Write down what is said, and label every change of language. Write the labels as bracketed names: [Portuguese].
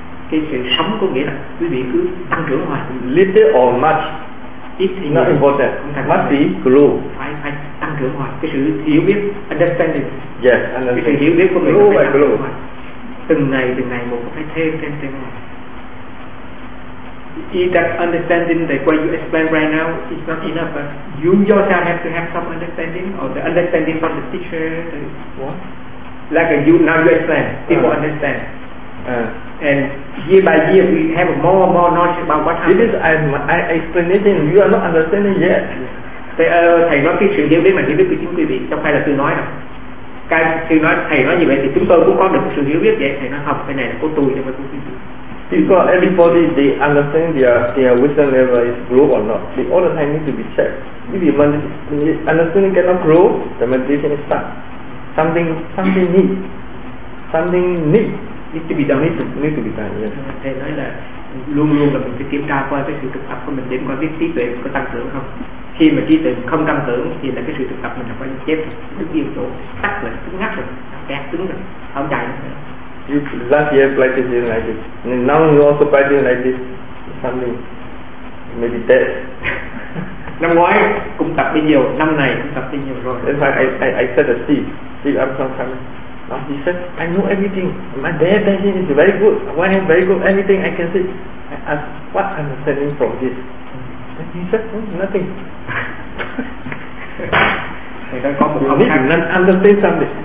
[Vietnamese] Cái sự sống có nghĩa là quý vị cứ tăng trưởng hoài. [English] Little or much, it's not important. Must be grow. [Vietnamese] Phải tăng trưởng hoài. Cái sự hiểu biết, [English] understanding. Yes, understanding. [Vietnamese] Cái sự hiểu biết của mình [English] grow [Vietnamese] phải tăng trưởng hoài. Từng ngày một phải thêm hoài. [English] Is that understanding that what you explain right now is not enough? But you yourself have to have some understanding, or the understanding from the teacher. The what? Like a you now you explain, people understand. And year by year we have more knowledge about what happened. This is I explanation, you are not understanding yet. [Vietnamese] Thầy nói cái chuyện hiểu biết mà hiểu biết của chúng quý vị, không phải là tôi nói đâu. Cái tôi nói, thầy nói như vậy thì chúng tôi cũng có được sự hiểu biết vậy. Thầy nói học cái này là của tôi, nhưng mà tôi không. [English] Because everybody, they understand their wisdom level is grow or not. They all the time need to be checked. If your understanding cannot grow, the meditation is stuck. Something needs. Need to be done, yes. [Vietnamese] Thầy nói là luôn luôn là mình phải kiểm tra qua cái sự thực tập của mình, đến qua cái trí tuệ có tăng trưởng không. Khi mà trí tuệ không tăng trưởng thì là cái sự thực tập mình là phải chết, đứng yên chỗ, tắt rồi, cứng ngắt rồi, kẹt cứng rồi, không chạy nữa. [English] You last year practicing like this, and now you also practicing like this. Something maybe that. [Vietnamese] Năm ngoái cũng tập đi nhiều, năm này cũng tập đi nhiều rồi. [English] That's why I said the Steve up sometimes. Now he said, I know everything. My bad thinking is very good. When I'm very good, anything I can see. I ask, what understanding from this? And he said, nothing. You need to understand something.